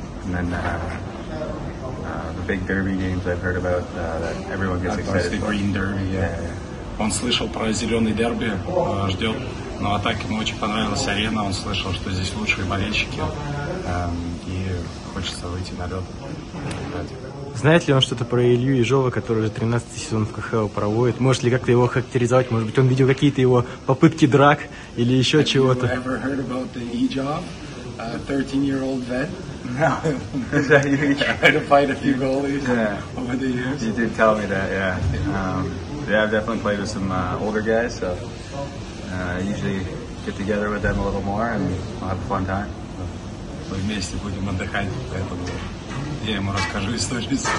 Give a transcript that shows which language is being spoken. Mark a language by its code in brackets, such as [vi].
[en] The big derby games I've heard about, that everyone gets excited for. The green derby, yeah. [ru] Он слышал про зеленый дерби, ждет. Но так ему очень понравилась арена, он слышал, что здесь лучшие болельщики. И хочется выйти на лед. Знает ли он что-то про Илью Ежова, который уже 13 сезон в КХЛ проводит? Может ли как-то его характеризовать? Может быть, он видел какие-то его попытки драк или еще [en] Have [ru] чего-то? [en] Have you ever heard about the Ежов, 13-year-old vet? No. Is that you? Tried to fight a few goalies over the years. You did tell me that, yeah. Yeah, I've definitely played with some older guys, so I usually get together with them a little more and we'll have a fun time. [ru] Мы вместе будем отдыхать, поэтому я ему расскажу историю.